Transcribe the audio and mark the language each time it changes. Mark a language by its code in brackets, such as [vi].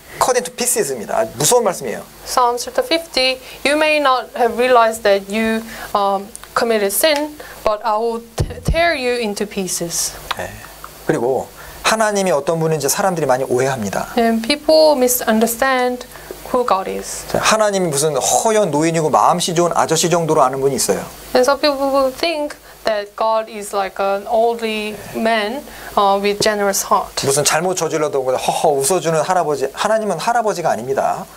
[en] Cut into pieces [ko] 입니다. 무서운 말씀이에요. [en] Psalms chapter 50. You may not have realized that you committed sin, but I will tear you into pieces. [ko] 네. 그리고 하나님이 어떤 분인지 사람들이 많이 오해합니다. [en] And people misunderstand who God is. [ko] 하나님이 무슨 허연 노인이고 마음씨 좋은 아저씨 정도로 아는 분이 있어요. [en] And some people think that God is like an oldly man with generous heart. [ko] 무슨 잘못 저질러도 허허 웃어주는 할아버지. 하나님은 할아버지가 아닙니다.